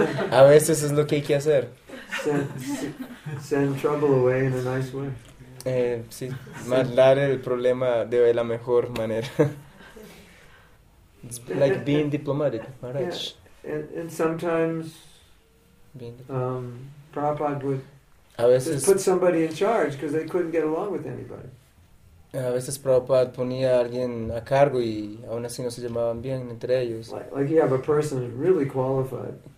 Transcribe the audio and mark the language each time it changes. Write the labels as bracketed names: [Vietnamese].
[Spanish] A veces es lo que hay que hacer. [English] Send trouble away in a nice way. [Spanish] Sí, mandar el problema de la mejor manera. [English] It's like being diplomatic, Maharaj. Yeah. And sometimes Prabhupada would just put somebody in charge because they couldn't get along with anybody. [Spanish] A veces Prabhupada ponía a alguien a cargo y aún así no se llevaban bien entre ellos. [English] Like you have a person who's really qualified.